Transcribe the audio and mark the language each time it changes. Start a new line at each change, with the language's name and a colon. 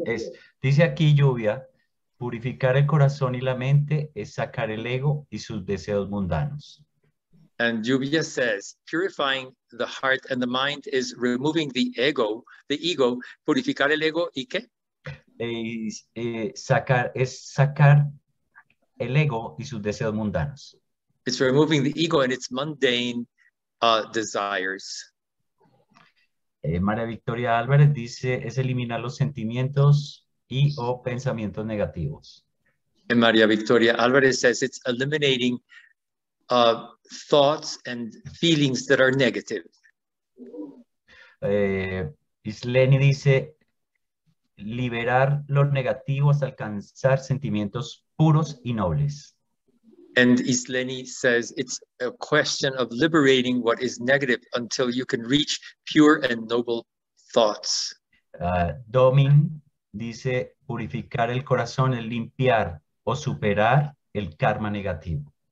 Spanish: Es, dice aquí Lluvia, purificar el corazón y la mente es sacar el ego y sus deseos mundanos.
English: And Lluvia says, purifying the heart and the mind is removing the ego,
Spanish: purificar el ego y qué? Es sacar el ego y sus deseos mundanos.
English: It's removing the ego and its mundane desires.
Spanish: María Victoria Álvarez dice, es eliminar los sentimientos y o pensamientos negativos.
English: And María Victoria Álvarez says, it's eliminating thoughts and feelings that are negative.
Spanish: Isleni dice, liberar lo negativo hasta alcanzar sentimientos puros y nobles.
English: And Isleni says, it's a question of liberating what is negative until you can reach pure and noble thoughts.
Spanish: Domin dice, purificar el corazón es limpiar o superar el karma negativo.